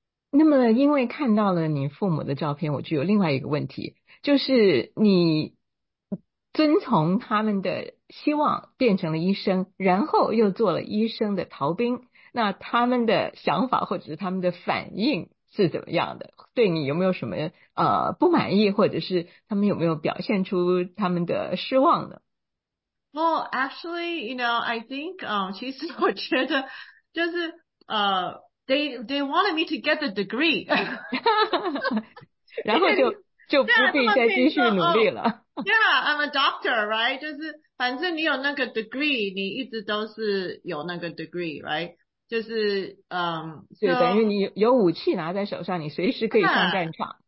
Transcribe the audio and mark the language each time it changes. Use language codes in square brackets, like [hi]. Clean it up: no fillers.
[zh] 那么因为看到了你父母的照片，我就有另外一个问题，就是你遵从他们的希望变成了医生，然后又做了医生的逃兵，那他们的想法或者是他们的反应是怎么样的？对你有没有什么不满意，或者是他们有没有表现出他们的失望呢？ [en] Well, actually, you know, I think, [zh] 其实我觉得就是 [en] they wanted me to get the degree. [zh] 然后就不必再继续努力了。 [en] Yeah, I'm a doctor, right? [zh] 就是反正你有那个 degree, 你一直都是有那个 degree, [en] right? [zh] 就是对，等于你有武器拿在手上，你随时可以上战场。